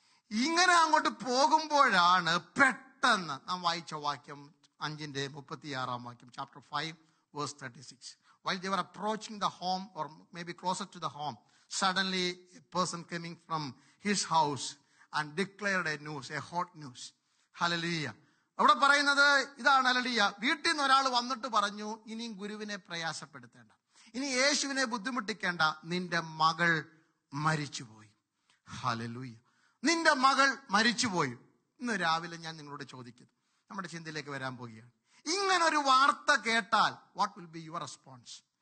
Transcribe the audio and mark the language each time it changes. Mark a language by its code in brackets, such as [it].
[ml] ഇങ്ങനെ അങ്ങോട്ട് പോകുമ്പോഴാണ് പെട്ടെന്ന് നാം വായിച്ച വാക്യം 5:36, chapter 5:36. [en] While they were approaching the home, or maybe closer to the home, suddenly a person coming from his house and declared a news, a hot news. Hallelujah. [ml] അവിടെ പറയുന്നത് ഇതാണ്, ഹല്ലേലൂയ, വീട്ടിൽ നിന്ന് ഒരാൾ വന്നിട്ട് പറഞ്ഞു, ഇനിയും ഗുരുവിനെ പ്രയാസപ്പെടുത്തേണ്ട, ഇനി യേശുവിനെ ബുദ്ധിമുട്ടിക്കേണ്ട, നിന്റെ മകൾ മരിച്ചുപോയി. ഹല്ലേലൂയ, നിന്റെ മകൾ മരിച്ചുപോയി. ഇന്ന് രാവിലെ ഞാൻ നിങ്ങളോട് ചോദിക്കുന്നു, നമ്മുടെ ചിന്തയിലേക്ക് വരാൻ പോവുകയാണ്, ഇങ്ങനെ ഒരു വാർത്ത കേട്ടാൽ [en] What will be your response?